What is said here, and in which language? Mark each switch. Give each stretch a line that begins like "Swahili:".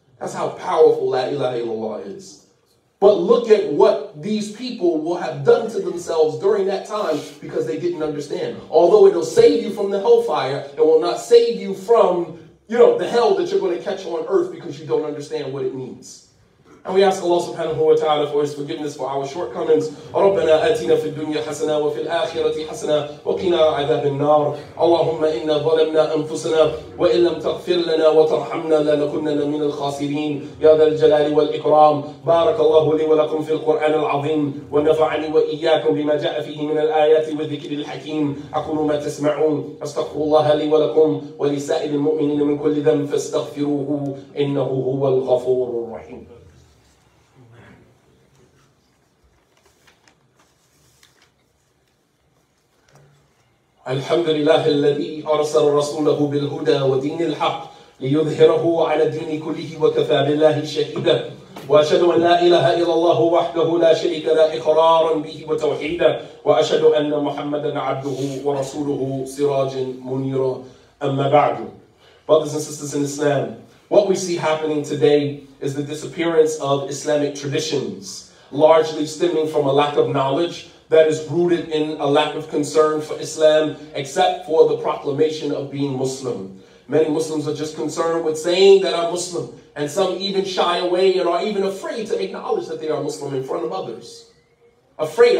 English: That's how powerful La ilaha illallah is. But look at what these people will have done to themselves during that time because they didn't understand. Although it will save you from the hellfire, it will not save you from, you know, the hell that you're going to catch on earth because you don't understand what it means. And we ask Allah subhanahu wa ta'ala for His forgiveness for our shortcomings.
Arabic: ربنا آتنا في الدنيا حسنة وفي الآخرة حسنة وقنا عذاب النار. اللهم إنا ظلمنا أنفسنا وإن لم تغفر لنا وترحمنا لنكنن من الخاسرين. يا ذا الجلال والإكرام بارك الله لي ولكم في القرآن العظيم ونفعني وإياكم بما جاء فيه من الآيات والذكر الحكيم. أقول ما تسمعون أستغفر الله لي ولكم ولسائر المؤمنين من كل ذنب فاستغفروه إنه هو الغفور الرحيم. الحمد لله الذي أرسل رسوله بالهدى ودين الحق ليظهره على الدين كله وكفى بالله شهيدا وأشهد أن لا إله إلا الله وحده لا شريك له إقرارا به وتوحيدا وأشهد أن محمدا عبده ورسوله سراج منيرا أما بعد
English: Brothers and sisters in Islam, what we see happening today is the disappearance of Islamic traditions, largely stemming from a lack of knowledge that is rooted in a lack of concern for Islam, except for the proclamation of being Muslim. Many Muslims are just concerned with saying that I'm Muslim, and some even shy away and are even afraid to acknowledge that they are Muslim in front of others. Afraid?